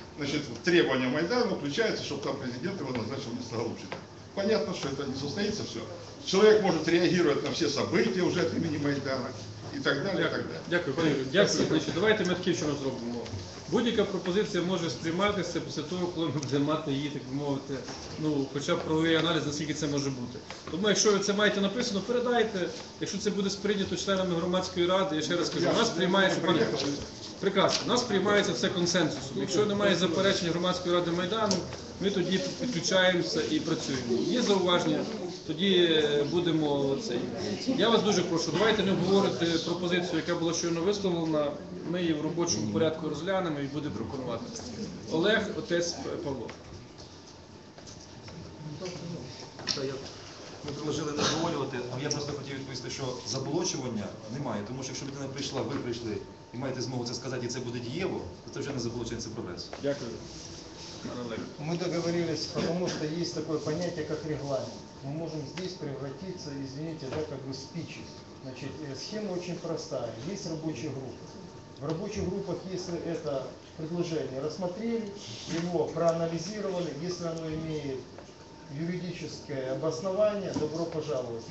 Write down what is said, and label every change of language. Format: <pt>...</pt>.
<ru>Значит, требования Майдана включаются, чтобы там президент его назначил вместо Голубчика. Понятно, что это не состоится все. Человек может реагировать на все события уже от имени Майдана.</ru> <uk>І так далі, Дякую, пане Юрію. Дякую. Значить, давайте ми таке ще раз зробимо. Будь-яка пропозиція може сприйматися після того, коли ми будемо мати її, так мовити, хоча б правовий аналіз, наскільки це може бути. Тому, якщо ви це маєте написано, передайте. Якщо це буде сприйнято членами громадської ради, я ще раз кажу, нас приймається, пане Юрію. Прекрасно, нас приймається все консенсусом. Якщо немає заперечення громадської ради Майдану, ми тоді підключаємося і працюємо. Є зауваження? Тоді будемо це. Я вас дуже прошу, давайте не обговорити пропозицію, яка була щойно висловлена. Ми її в робочому порядку розглянемо і будемо пропонувати. Олег, отець Павло. Ми предложили не обговорювати, але я просто хотів відповісти, що заболочування немає. Тому що якщо людина прийшла, ви прийшли і маєте змогу це сказати, і це буде дієво, то це вже не заболочення, це прогрес. Дякую.</uk> <ru>Мы договорились, потому что есть такое понятие, как регламент. Мы можем здесь превратиться, извините, да, как бы спичи. Значит, схема очень простая. Есть рабочие группы. В рабочих группах, если это предложение рассмотрели, его проанализировали, если оно имеет юридическое обоснование, добро пожаловать.</ru>